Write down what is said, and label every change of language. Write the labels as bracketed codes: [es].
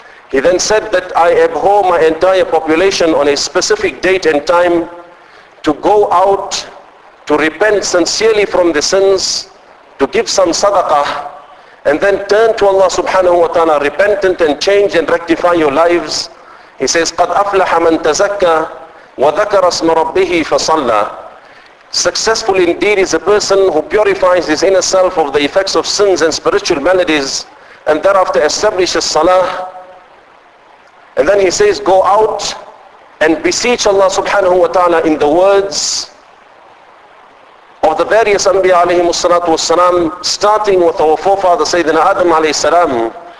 [en] He then said that I abhor my entire population on a specific date and time to go out, to repent sincerely from the sins, to give some sadaqah, and then turn to Allah subhanahu wa ta'ala, repentant and change and rectify your lives. He says, [ar] قَدْ أَفْلَحَ مَنْ تَزَكَّى وَذَكَرَ اسْمَ رَبِّهِ فَصَلَّى. [en] Successful indeed is a person who purifies his inner self of the effects of sins and spiritual maladies, and thereafter establishes salah. And then he says, go out and beseech Allah subhanahu wa ta'ala in the words of the various anbiya alayhi salatu wasalam, starting with our forefather Sayyidina Adam alayhi salam.